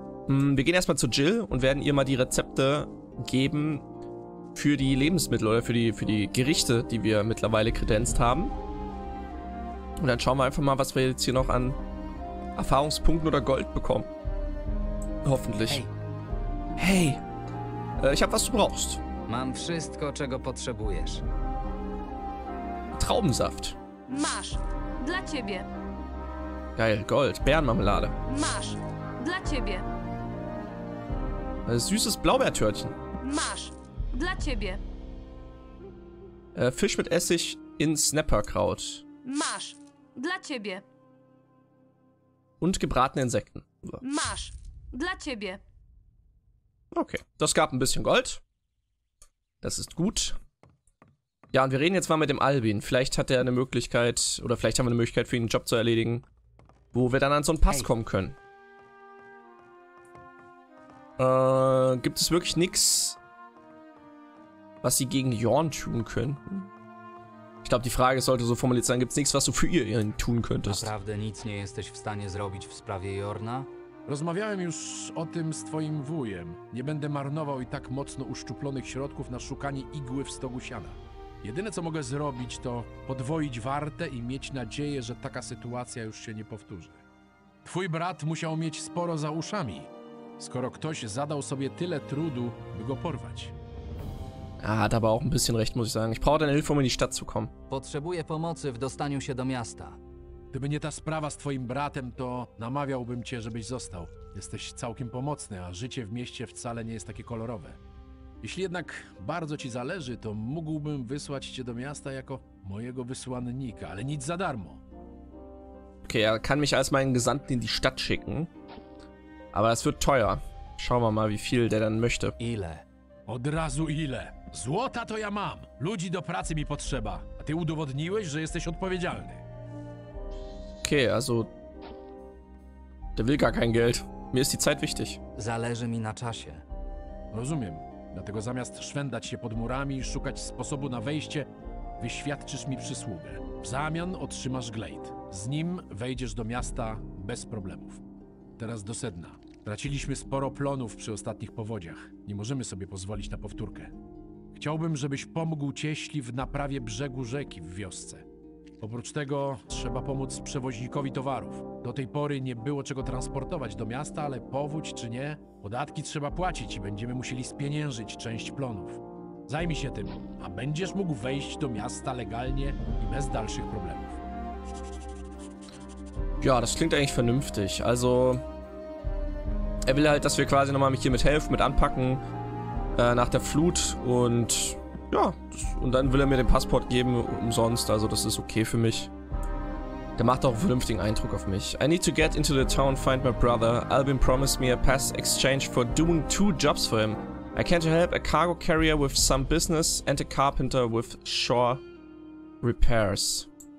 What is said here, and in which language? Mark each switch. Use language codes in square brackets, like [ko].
[de] Wir gehen erstmal zu Jill und werden ihr mal die Rezepte geben für die Lebensmittel oder für die Gerichte, die wir mittlerweile kredenzt haben. Und dann schauen wir einfach mal, was wir jetzt hier noch an Erfahrungspunkten oder Gold bekommen. Hoffentlich. Hey. Ich hab was du brauchst. [pl] Mam wszystko, czego potrzebujesz. [de] Traubensaft. [pl] Masz. Dla ciebie. [de] Geil, Gold. Bärenmarmelade. [pl] Masz. Dla ciebie. [de] Süßes Blaubeertörtchen. [pl] Masz. Dla ciebie. [de] Fisch mit Essig in Snapperkraut. [pl] Masz. Dla ciebie. [de] Und gebratene Insekten. [pl] So. Masz. Dla ciebie. [de] Okay, das gab ein bisschen Gold. Das ist gut. Ja, und wir reden jetzt mal mit dem Albin. Vielleicht hat er eine Möglichkeit, oder vielleicht haben wir eine Möglichkeit für ihn einen Job zu erledigen, wo wir dann an so einen Pass kommen können. Gibt es wirklich nichts, was sie gegen Jorn tun könnten? Ich glaube, die Frage sollte so formuliert sein, gibt es nichts, was du für ihn tun könntest? [pl] Naprawdę nic nie jesteś w stanie zrobić w sprawie Jorna? Rozmawiałem już o tym z twoim wujem. Nie będę marnował i tak mocno uszczuplonych środków na szukanie igły w stogu siana. Jedyne, co mogę zrobić, to podwoić wartę i mieć nadzieję, że taka sytuacja już się nie powtórzy. Twój brat musiał mieć sporo za uszami, skoro ktoś zadał sobie tyle trudu, by go porwać. [de] A, hat aber auch ein bisschen recht, muss ich sagen. Ich brauche deine Hilfe, um in die Stadt zu kommen. [pl] Potrzebuję pomocy w dostaniu się do miasta. Gdyby nie ta sprawa z twoim bratem, to namawiałbym cię, żebyś został. Jesteś całkiem pomocny, a życie w mieście wcale nie jest takie kolorowe. Jeśli jednak bardzo ci zależy, to mógłbym wysłać cię do miasta jako mojego wysłannika, ale nic za darmo. [de] Okay, er kann mich als meinen Gesandten in die Stadt schicken. Aber es wird teuer. Schauen wir mal, wie viel der dann möchte. [pl] Ile? Od razu ile? Złota to ja mam. Ludzi do pracy mi potrzeba. A ty udowodniłeś, że jesteś odpowiedzialny. [de] Okay, also der will gar kein Geld. Mir ist die Zeit wichtig. [pl] Zależy mi na czasie. Rozumiem. Dlatego zamiast szwendać się pod murami i szukać sposobu na wejście, wyświadczysz mi przysługę. W zamian otrzymasz glejt. Z nim wejdziesz do miasta bez problemów. Teraz do sedna. Traciliśmy sporo plonów przy ostatnich powodziach. Nie możemy sobie pozwolić na powtórkę. Chciałbym, żebyś pomógł cieśli w naprawie brzegu rzeki w wiosce. Oprócz tego trzeba pomóc przewoźnikowi towarów. Do tej pory nie było czego transportować do miasta, ale powódź czy nie, podatki trzeba płacić i będziemy musieli spieniężyć część plonów. Zajmij się tym, a będziesz mógł wejść do miasta legalnie i bez dalszych problemów. [de] Ja, das klingt eigentlich vernünftig. Also, er will halt, dass wir quasi nochmal mich hier mit helfen, mit anpacken nach der Flut und ja, und dann will er mir den Passport geben umsonst, also das ist okay für mich. Der macht auch einen vernünftigen Eindruck auf mich. [en] I need to get into the town, find my brother. Albin promised me a pass exchange for doing two jobs for him. I can't help a cargo carrier with some business and a carpenter with shore repairs.